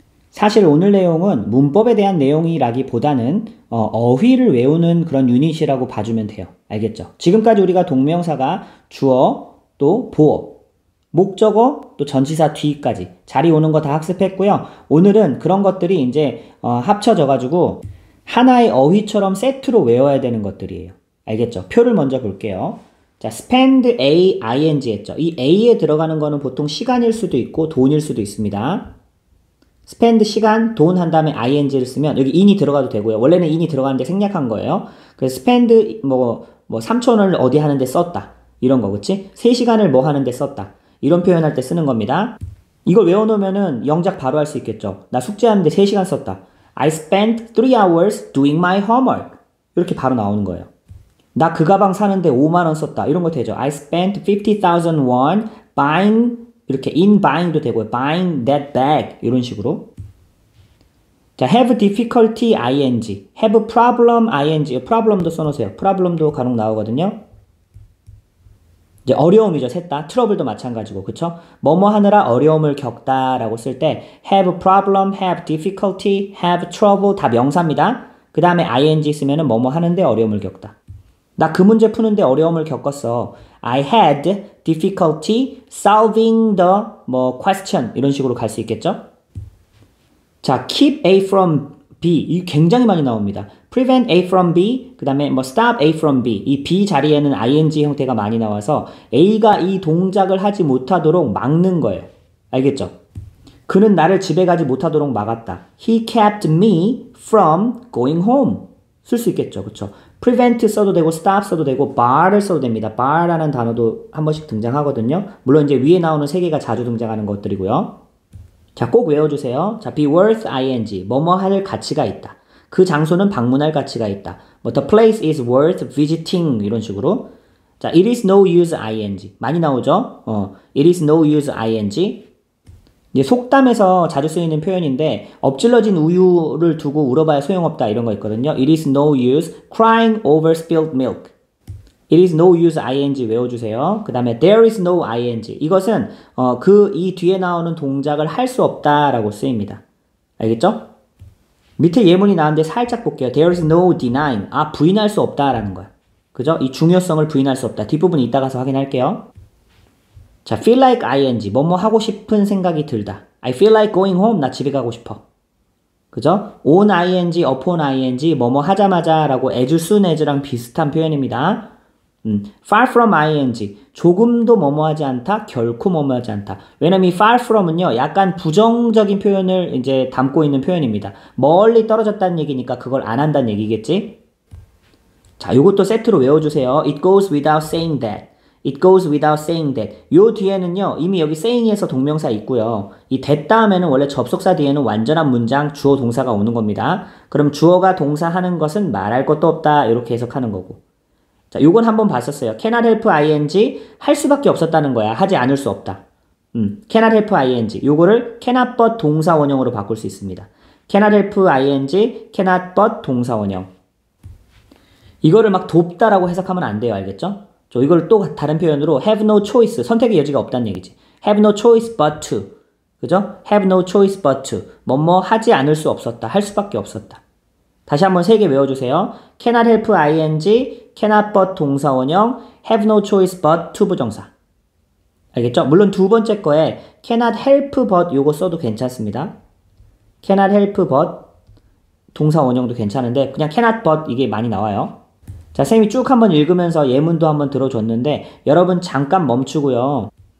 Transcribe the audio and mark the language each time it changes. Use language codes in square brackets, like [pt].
[ko] 사실 오늘 내용은 문법에 대한 내용이라기보다는 어휘를 외우는 그런 유닛이라고 봐주면 돼요. 알겠죠? 지금까지 우리가 동명사가 주어, 또 보어, 목적어, 또 전치사 뒤까지 자리 오는 거다 학습했고요. 오늘은 그런 것들이 이제 합쳐져가지고 하나의 어휘처럼 세트로 외워야 되는 것들이에요. 알겠죠? 표를 먼저 볼게요. [en] 자, spend a ing 했죠. [ko] 이 a에 들어가는 거는 보통 시간일 수도 있고 돈일 수도 있습니다. spend 시간, 돈한 다음에 ing를 쓰면 여기 in이 들어가도 되고요. 원래는 in이 들어가는데 생략한 거예요. 그래서 spend 뭐 3천원을 어디 하는데 썼다. 이런 거, 그치? 3시간을 뭐 하는데 썼다. 이런 표현할 때 쓰는 겁니다. 이걸 외워놓으면은 영작 바로 할수 있겠죠. 나 숙제하는데 3시간 썼다. [en] I spent 3 hours doing my homework. [ko] 이렇게 바로 나오는 거예요. 나그 가방 사는데 5만 원 썼다. 이런 거 되죠. [en] I spent 50,000 won buying, [ko] 이렇게 [en] in buying도 되고요. buying that bag. [ko] 이런 식으로. [en] 자, have difficulty ing. have problem ing. [ko] problem도 써놓으세요. problem도 간혹 나오거든요. 이제 어려움이죠, 셋 다. 트러블도 마찬가지고, 그쵸? 뭐뭐 하느라 어려움을 겪다라고 쓸 때, [en] have problem, have difficulty, have trouble [ko] 다 명사입니다. 그 다음에 ing 쓰면은 뭐뭐 하는데 어려움을 겪다. 나그 문제 푸는데 어려움을 겪었어. [en] I had difficulty solving the 뭐 question [ko] 이런 식으로 갈수 있겠죠? [en] 자, keep A from B. [ko] 이 굉장히 많이 나옵니다. [en] Prevent A from B, 그 다음에 뭐 stop A from B. [ko] 이 B 자리에는 ing 형태가 많이 나와서 A가 이 동작을 하지 못하도록 막는 거예요. 알겠죠? 그는 나를 집에 가지 못하도록 막았다. [en] He kept me from going home. [ko] 쓸수 있겠죠, 그쵸? Prevent 써도 되고, stop 써도 되고, bar를 써도 됩니다. bar라는 단어도 한 번씩 등장하거든요. 물론 이제 위에 나오는 세 개가 자주 등장하는 것들이고요. 자, 꼭 외워주세요. 자, [en] be worth ing. [ko] 뭐뭐 할 가치가 있다. 그 장소는 방문할 가치가 있다. [en] 뭐, the place is worth visiting. [ko] 이런 식으로. 자, [en] it is no use ing. [ko] 많이 나오죠? [en] it is no use ing. [ko] 이제 속담에서 자주 쓰이는 표현인데, 엎질러진 우유를 두고 울어봐야 소용없다. 이런 거 있거든요. [en] It is no use crying over spilled milk. It is no use ing [ko] 외워주세요. 그 다음에 [en] there is no ing. [ko] 이것은 그이 뒤에 나오는 동작을 할수 없다라고 쓰입니다. 알겠죠? 밑에 예문이 나왔는데 살짝 볼게요. [en] There is no denying. [ko] 아, 부인할 수 없다라는 거야. 그죠? 이 중요성을 부인할 수 없다. 뒷부분 이따 가서 확인할게요. [en] 자, feel like ing. [ko] 뭐뭐 하고 싶은 생각이 들다. [en] I feel like going home. [ko] 나 집에 가고 싶어. 그죠? [en] on ing, upon ing. [ko] 뭐뭐 하자마자라고 as soon as랑 비슷한 표현입니다. [en] far from ing. [ko] 조금도 뭐뭐하지 않다. 결코 뭐뭐하지 않다. 왜냐면 이 far from은요, 약간 부정적인 표현을 이제 담고 있는 표현입니다. 멀리 떨어졌다는 얘기니까 그걸 안 한다는 얘기겠지? 자, 요것도 세트로 외워주세요. [en] It goes without saying that. It goes without saying that. [ko] 요 뒤에는요, 이미 여기 saying에서 동명사 있고요. 이 that 다음에는 원래 접속사 뒤에는 완전한 문장, 주어 동사가 오는 겁니다. 그럼 주어가 동사하는 것은 말할 것도 없다. 이렇게 해석하는 거고. 자, 요건 한번 봤었어요. [en] Cannot help ing [ko] 할 수밖에 없었다는 거야. 하지 않을 수 없다. Cannot help ing 요거를 cannot but 동사 원형으로 바꿀 수 있습니다. [en] Cannot help ing, cannot but 동사 원형. [ko] 이거를 막 돕다라고 해석하면 안 돼요. 알겠죠? 저 이걸 또 다른 표현으로 have no choice 선택의 여지가 없다는 얘기지. [en] Have no choice but to. 그죠? Have no choice but to. [ko] 뭐뭐 하지 않을 수 없었다. 할 수밖에 없었다. 다시 한번 세개 외워주세요. [en] Cannot help ing, cannot but 동사 원형, have no choice but to 부정사. [ko] 알겠죠? 물론 두 번째 거에 cannot help but 요거 써도 괜찮습니다. Cannot help but 동사 원형도 괜찮은데 그냥 cannot but 이게 많이 나와요. 자, 쌤이 쭉 한번 읽으면서 예문도 한번 들어줬는데 여러분 잠깐 멈추고요.